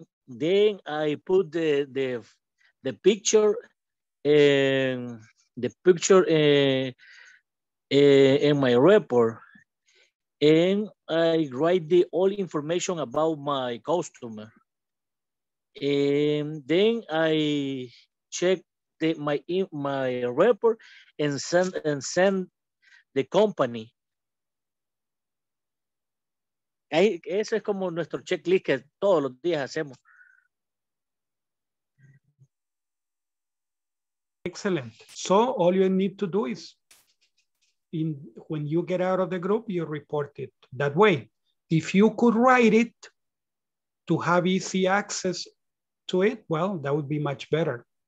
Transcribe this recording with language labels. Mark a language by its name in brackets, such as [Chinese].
[English] Then I put the picture and the picture in my report, and I write the all information about my customer, and then I check my report and send the company. [Spanish] Eso es como nuestro checklist que todos los días hacemos. [English] Excellent. So all you need to do is when you get out of the group, you report it that way. If you could write it to have easy access to it, well, that would be much better.